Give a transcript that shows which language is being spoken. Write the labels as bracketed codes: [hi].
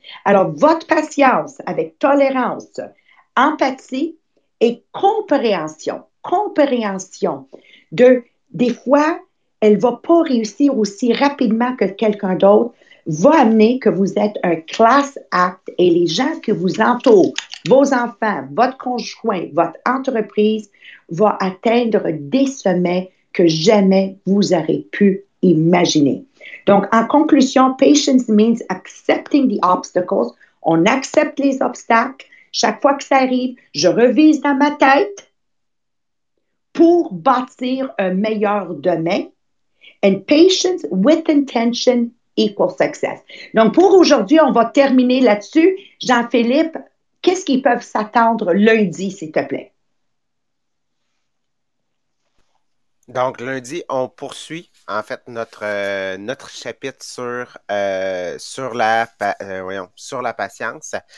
[fr] Alors, votre patience avec tolérance, empathie et compréhension, compréhension de des fois, elle va pas réussir aussi rapidement que quelqu'un d'autre, va amener que vous êtes un class act et les gens qui vous entourent, vos enfants, votre conjoint, votre entreprise, va atteindre des sommets que jamais vous aurez pu imaginer. Donc, en conclusion, [en] patience means accepting the obstacles. [fr] On accepte les obstacles. Chaque fois que ça arrive, je revise dans ma tête pour bâtir un meilleur demain. [en] And patience with intention equals success. [fr] Donc, pour aujourd'hui, on va terminer là-dessus. Jean-Philippe, qu'est-ce qu'ils peuvent s'attendre lundi, s'il te plaît? Donc, lundi, on poursuit en fait notre chapitre sur la patience.